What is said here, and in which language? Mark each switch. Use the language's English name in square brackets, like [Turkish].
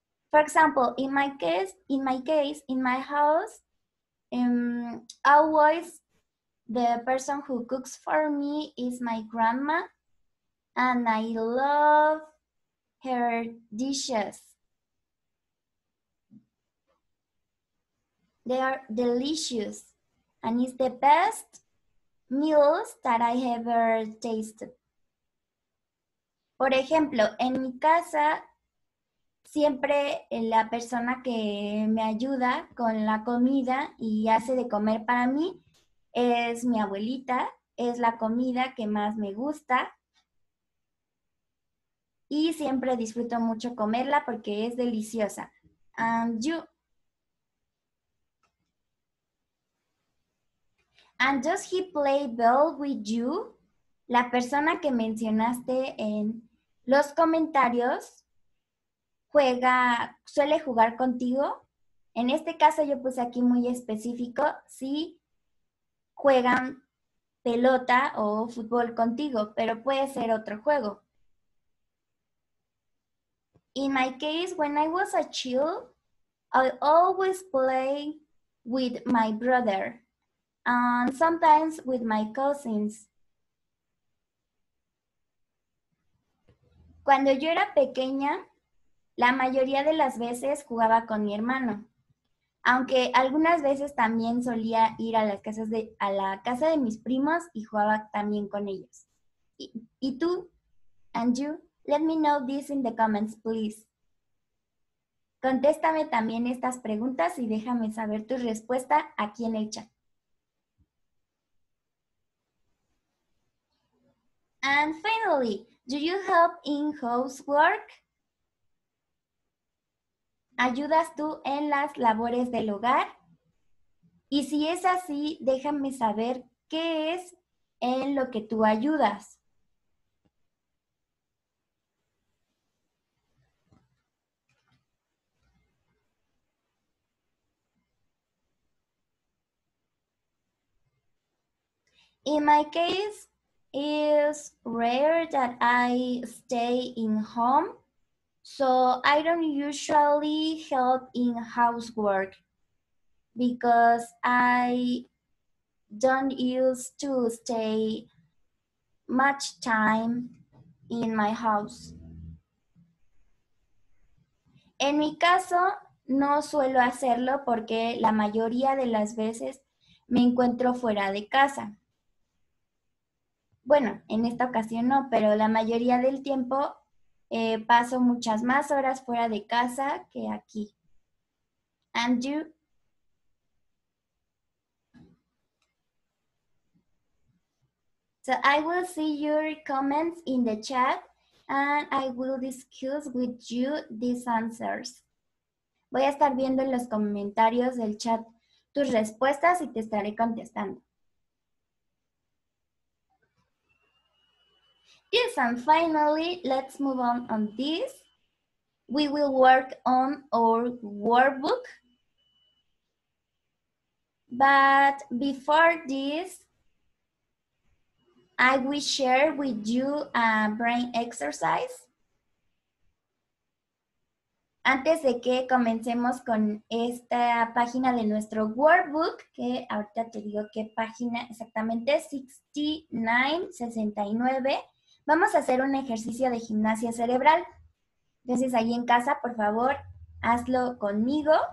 [English] For example, in my house, always the person who cooks for me is my grandma, and I love her dishes. They are delicious, and it's the best meals that I ever tasted. [Spanish] Por ejemplo, en mi casa, siempre la persona que me ayuda con la comida y hace de comer para mí es mi abuelita, es la comida que más me gusta. Y siempre disfruto mucho comerla porque es deliciosa. [English] And you. And does he play ball with you? [Spanish] La persona que mencionaste en los comentarios suele jugar contigo. En este caso yo puse aquí muy específico, sí. Juegan pelota o fútbol contigo, pero puede ser otro juego. [English] In my case, when I was a child, I always play with my brother and sometimes with my cousins. [Spanish] Cuando yo era pequeña, la mayoría de las veces jugaba con mi hermano. Aunque algunas veces también solía ir a las casas a la casa de mis primos y jugaba también con ellos. ¿Y tú? [English] And you? [Spanish] Let me know this in the comments, please. Contéstame también estas preguntas y déjame saber tu respuesta aquí en el chat. [English] And finally, do you help in housework? [Spanish] ¿Ayudas tú en las labores del hogar? Y si es así, déjame saber qué es en lo que tú ayudas. [English] In my case, it's rare that I stay in home. So I don't usually help in housework because I don't used to stay much time in my house. [Spanish] En mi caso, no suelo hacerlo porque la mayoría de las veces me encuentro fuera de casa. Bueno, en esta ocasión no, pero la mayoría del tiempo paso muchas más horas fuera de casa que aquí. [English] And you? So I will see your comments in the chat and I will discuss with you these answers. [Spanish] Voy a estar viendo en los comentarios del chat tus respuestas y te estaré contestando. [English] Yes, and finally, let's move on this. We will work on our workbook. But before this, I will share with you a brain exercise. [Spanish] Antes de que comencemos con esta página de nuestro workbook, que ahorita te digo qué página exactamente, 69, vamos a hacer un ejercicio de gimnasia cerebral. Entonces, ahí en casa, por favor, hazlo conmigo.